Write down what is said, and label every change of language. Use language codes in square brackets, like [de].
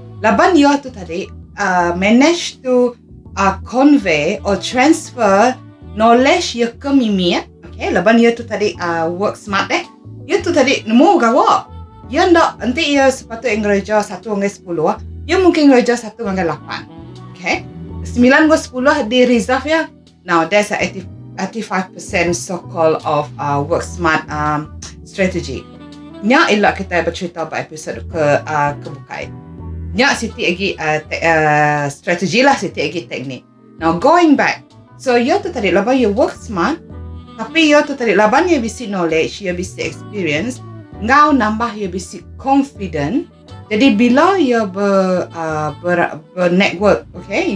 [iba] Laban yo tu tadi, [en] manage to convey or transfer knowledge [iba] yo ke mimi. Ya. Okay, laban yo tu tadi [en] work smart [iba] deh. Yo tu tadi nemu gawak. Ya ndak, nanti ia sepatutnya ngeraja 1 dengan 10. Ia mungkin ngeraja 1 dengan 8. Okay? 9 dengan 10 di reserve ya. [en] Now, that's 85% so-called of work smart strategy. [iba] Nya elok kita bercerita pada episod kebukai. Nya siti lagi strategi lah, siti lagi teknik. [en] Now, going back. [iba] So, ia tu tadi, laban ia [en] work smart. [iba] Tapi ia tu tadi, laban ia bisi knowledge, ia bisi experience. Ngau nambah ia bisi confident. Jadi bila ia ber-network, okay?